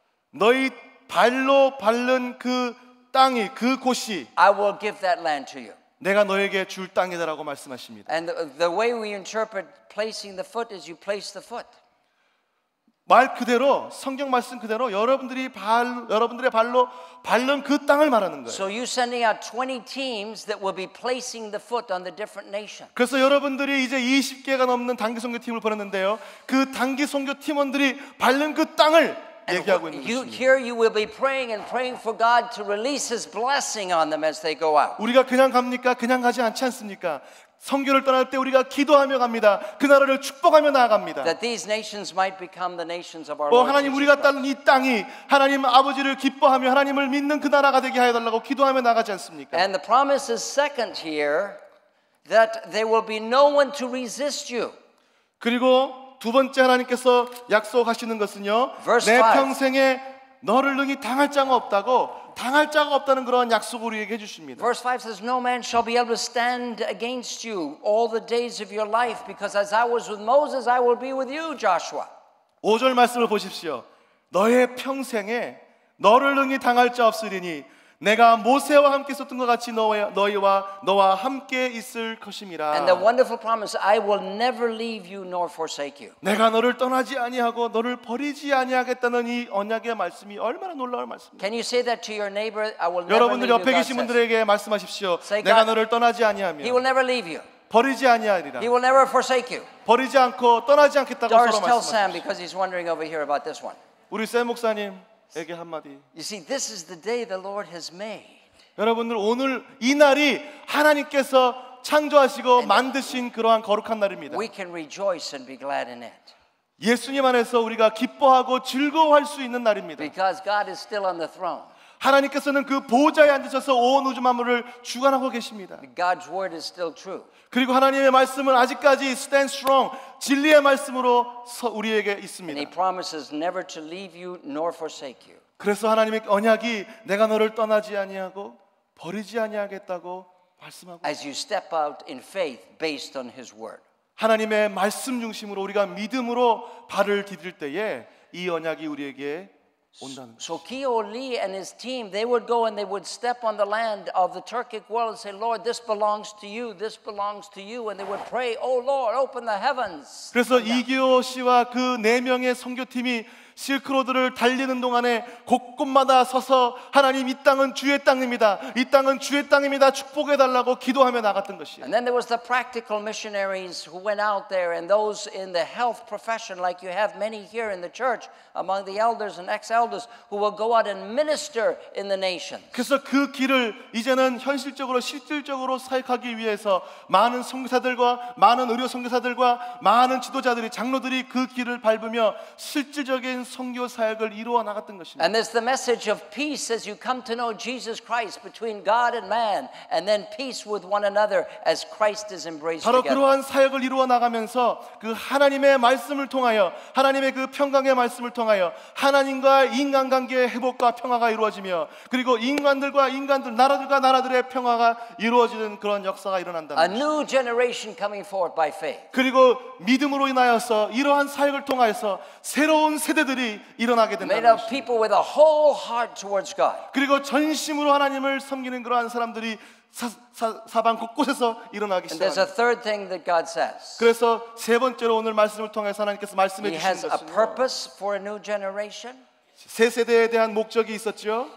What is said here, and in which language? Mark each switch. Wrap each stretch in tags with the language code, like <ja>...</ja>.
<ko>너희 발로 밟는 그 땅이 그 곳이</ko> <en>I will give that land to you.</en> <ko>내가 너에게 줄 땅이다라고 말씀하십니다.</ko> <en>And the way we interpret placing the foot is you place the foot.</en> <ko>말 그대로 성경 말씀 그대로 여러분들이 발 여러분들의 발로 밟는 그 땅을 말하는 거예요.</ko> <en>So you sending out 20 teams that will be placing the foot on the different nations.</en> <ko>그래서 여러분들이 이제 20개가 넘는 단기 선교 팀을 보냈는데요. 그 단기 선교 팀원들이 밟는 그 땅을 얘기하고 있는 거예요.</ko> <en>Here you will be praying and praying for God to release His blessing on them as they go out.</en> <ko>우리가 그냥 갑니까? 그냥 가지 않지 않습니까? 선교를 떠날 때 우리가 기도하며 갑니다. 그 나라를 축복하며 나아갑니다.</ko> <en>That these nations might become the nations of our Lord.</en> <ko>하나님 우리가 따른 이 땅이 하나님 아버지를 기뻐하며 하나님을 믿는 그 나라가 되게 하여 달라고 기도하며 나가지 않습니까?</ko> <en>And the promise is second here that there will be no one to resist you.</en> <ko>그리고 두 번째 하나님께서 약속하시는 것은요. 내 평생에 너를 능히 당할 자가 없다고 당할 자가 없다는 그런 약속을 우리에게 해주십니다.</ko> <en>Verse 5 says, No man shall be able to stand against you all the days of your life, because as I was with Moses, I will be with you, Joshua.</en> <ko>5절 말씀을 보십시오. 너의 평생에 너를 능히 당할 자 없으리니 내가 모세와 함께 있었던 것 같이 너와 함께 있을 것임이라.</ko> <en>And the wonderful promise, I will never leave you nor forsake you.</en> <ko>내가 너를 떠나지 아니하고 너를 버리지 아니하겠다는 이 언약의 말씀이 얼마나 놀라운 말씀입니까?</ko> <en>Can you say that to your neighbor? I will never leave you.</en> <ko>여러분들 옆에 계신 분들에게 말씀하십시오. 내가 너를 떠나지 아니하며.</ko> <en>He will never leave you.</en> <ko>버리지 아니하리라.</ko> <en>He will never forsake you.</en> <ko>버리지 않고 떠나지 않겠다고 서로 말씀하십시오.</ko> <en>Doris, tell Sam because he's wondering over here about this one.</en> <ko>우리 샘 목사님. 에게 한 마디.</ko> <en>You see, this is the day the Lord has made.</en> <ko>여러분들 오늘 이 날이 하나님께서 창조하시고 만드신 그러한 거룩한 날입니다.</ko> <en>We can rejoice and be glad in it.</en> <ko>예수님 안에서 우리가 기뻐하고 즐거워할 수 있는 날입니다.</ko> <en>Because God is still on the throne.</en> <ko>하나님께서는 그 보좌에 앉으셔서 온 우주 만물을 주관하고 계십니다.</ko> <en>God's word is still true.</en> <ko>그리고 하나님의 말씀은 아직까지</ko> <en>stand strong</en> <ko>진리의 말씀으로 우리에게 있습니다.</ko> <en>And he promises never to leave you nor forsake you.</en> <ko>그래서 하나님의 언약이 내가 너를 떠나지 아니하고 버리지 아니하겠다고 말씀하고</ko> <en>As you step out in faith based on his word.</en> <ko>하나님의 말씀 중심으로 우리가 믿음으로 발을 디딜 때에 이 언약이 우리에게</ko> <en>So Keo Lee and his team, they would go and they would step on the land of the Turkic world and say, Lord, this belongs to you, this belongs to you. And they would pray, Oh Lord, open the heavens.</en> <ko>그래서 이기오 씨와 그 네 명의 선교팀이 실크로드를 달리는 동안에 곳곳마다 서서 하나님 이 땅은 주의 땅입니다. 이 땅은 주의 땅입니다. 축복해 달라고 기도하며 나갔던 것이에요.</ko> <en>And then there was the practical missionaries who went out there and those in the health profession like you have many here in the church among the elders and ex-elders who will go out and minister in the nations.</en> <ko>그래서 그 길을 이제는 현실적으로 실질적으로 사역하기 위해서 많은 선교사들과 많은 의료 선교사들과 많은 지도자들이 장로들이 그 길을 밟으며 실질적인 선교 사역을 이루어 나갔던 것입니다.</ko> <en>And there's the message of peace as you come to know Jesus Christ between God and man and then peace with one another as Christ is embraced together.</en> <ko>바로 그러한 사역을 이루어 나가면서 그 하나님의 말씀을 통하여 하나님의 그 평강의 말씀을 통하여 하나님과 인간 관계의 회복과 평화가 이루어지며 그리고 인간들과 인간들 나라들과 나라들의 평화가 이루어지는 그런 역사가 일어난다는</ko> <en>A new generation coming forth by faith.</en> <ko>그리고 믿음으로 인하여서 이러한 사역을 통하여서 새로운 세대들이 일어나게 된다는</ko> <en>Made up people with a whole heart towards God.</en> <ko>그리고 전심으로 하나님을 섬기는 그러한 사람들이 사방 곳곳에서 일어나기 시작합니다.</ko> <en>There's a third thing that God says.</en> <ko>그래서 세 번째로 오늘 말씀을 통해서 하나님께서 말씀해 주신 것은</ko> <en>He has a purpose for a new generation.</en> <ko>새 세대에 대한 목적이 있었죠.</ko>